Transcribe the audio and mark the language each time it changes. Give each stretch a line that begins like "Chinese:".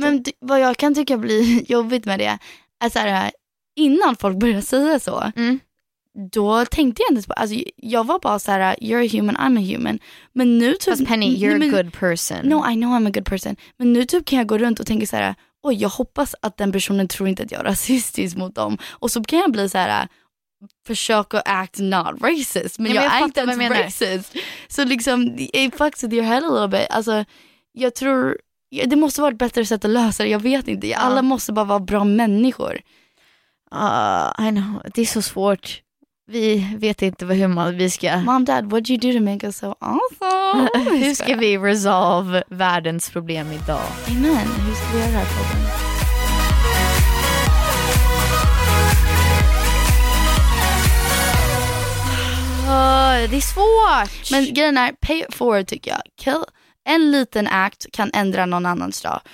Swedish: Men vad jag kan tycka blir jobbigt med det är så här, innan folk börjar säga så, då tänkte jag inte på, alltså jag var bara så här,
English: you're a human, I'm a human.
Swedish: Men nu typ, fast
English: Penny, you're a good person. No, I know I'm a good person.
Swedish: Men nu typ kan jag gå runt och tänka så här, oj, jag hoppas att den personen tror inte att jag är rasistisk mot dem. Och så kan jag bli så här, försök att
English: act not racist.
Swedish: Men, ja, men jag är inte racist. Så liksom,
English: it fucks with your head a little bit.
Swedish: Alltså, jag tror, det måste vara ett bättre sätt att lösa det. Jag vet inte. Alla måste bara vara bra människor.
English: I know.
Swedish: Det är så svårt. Vi vet inte hur man, vi ska...
English: Mom, dad, what did you do to make us so awesome?
Swedish: Hur ska vi resolve världens problem idag? Amen. Hur ska vi göra det här problemet? Det är svårt. Men grejen är,
English: pay it forward
Swedish: tycker jag. Kill. En liten act kan ändra någon annans dag.